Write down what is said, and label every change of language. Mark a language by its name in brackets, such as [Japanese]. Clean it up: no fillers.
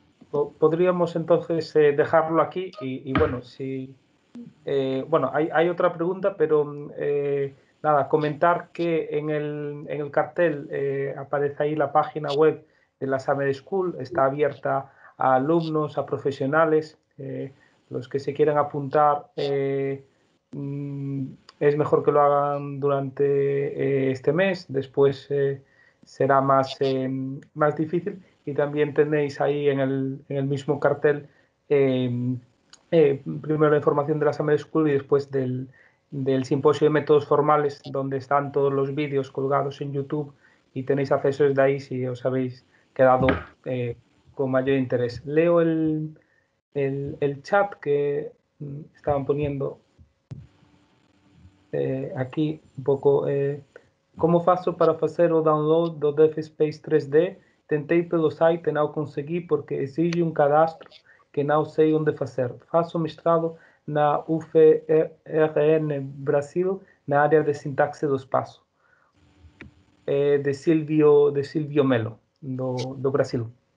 [Portuguese] Poderíamos, então, deixá-lo aqui e, bueno, se... [Spanish] bueno, hay otra pregunta, pero nada, comentar que en el cartel aparece ahí la página web de la Summer School, está abierta a alumnos, a profesionales, los que se quieran apuntar, es mejor que lo hagan durante este mes, después será más difícil, y también tenéis ahí en el mismo cartel primero la información de la Summer School y después del simposio de métodos formales, donde están todos los vídeos colgados en YouTube y tenéis acceso desde ahí si os habéis quedado con mayor interés. Leo el chat que estaban poniendo aquí un poco. [Portuguese] ¿Cómo faço para hacer o download do DevSpace 3D? Tentei pelo site, não consegui porque exige un cadastro que não sei onde fazer. Faço mestrado na UFRN Brasil, na área de sintaxe do espaço. De Silvio Melo, do Brasil.